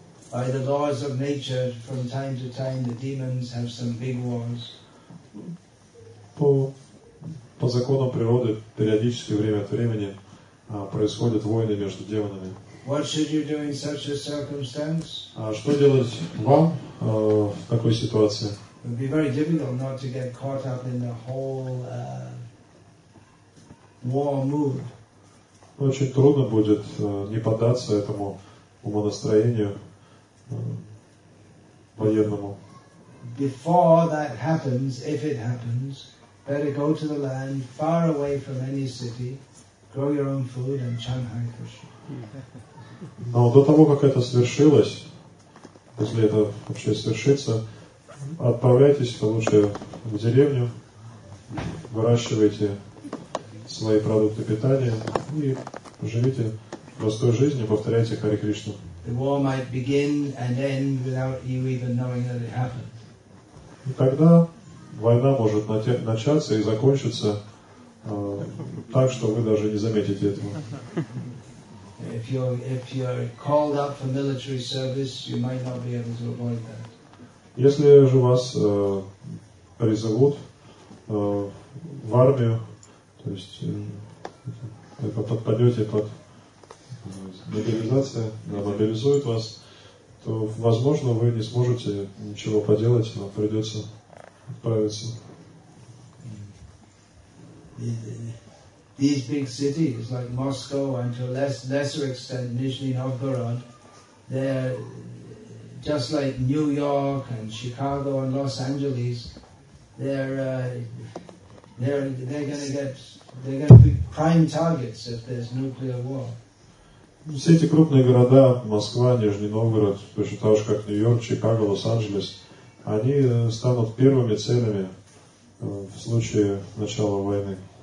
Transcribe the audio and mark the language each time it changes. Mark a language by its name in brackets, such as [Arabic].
[English] By the laws of nature, from time to time, the demons have some big wars. [Russian] По законам природы, периодически, время от времени, происходят войны между демонами. [English] What should you do in such a circumstance? [Russian] Что делать вам в такой ситуации? [English] It would be very difficult not to get caught up in the whole war mood. [Russian] Очень трудно будет не поддаться этому умонастроению военному. [English] Before that happens, if it happens, better go to the land far away from any city, grow your own food and chant Hare Krishna. [Russian] Но до того, как это свершилось, если это вообще свершится, отправляйтесь лучше в деревню, выращивайте свои продукты питания и живите простой жизнью, повторяйте Хари Кришну. [English] The war might begin and end without you even knowing that it happened. [Russian] И тогда война может начаться и закончиться так, что вы даже не заметите этого. [English] If you're called up for military service, you might not be able to avoid that. [Russian] Если же вас призовут в армию, то есть вы подпадете под мобилизацию, да, мобилизует вас, то, возможно, вы не сможете ничего поделать, вам придется отправиться. [English] These big cities like Moscow and to a lesser extent Nizhny Novgorod, they're just like New York and Chicago and Los Angeles. They're going to be prime targets if there's nuclear war. [Russian] Все эти крупные города, Москва, Нижний Новгород, точно так же как Нью-Йорк, Чикаго, Лос-Анджелес, они станут первыми целями в случае начала войны.